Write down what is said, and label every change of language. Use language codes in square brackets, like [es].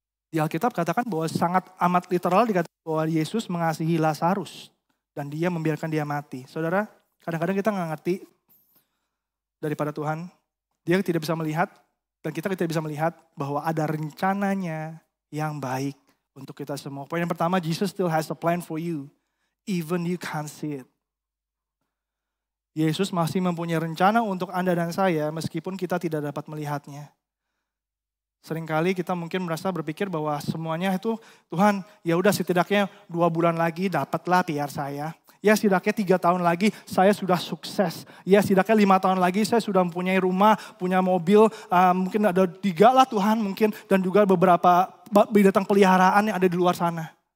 [id] Di Alkitab katakan bahwa sangat amat literal dikatakan bahwa Yesus mengasihi Lazarus dan dia membiarkan dia mati. Saudara, kadang-kadang kita gak ngerti daripada Tuhan. Dia tidak bisa melihat dan kita tidak bisa melihat bahwa ada rencananya yang baik untuk kita semua. Poin yang pertama, [en] Jesus still has a plan for you, even you can't see it. [id] Yesus masih mempunyai rencana untuk Anda dan saya meskipun kita tidak dapat melihatnya. Seringkali kita mungkin merasa berpikir bahwa semuanya itu Tuhan, ya udah setidaknya 2 bulan lagi dapatlah PR saya. Ya setidaknya 3 tahun lagi saya sudah sukses. Ya setidaknya 5 tahun lagi saya sudah mempunyai rumah, punya mobil, mungkin ada 3 lah Tuhan mungkin dan juga beberapa binatang peliharaan yang ada di luar sana.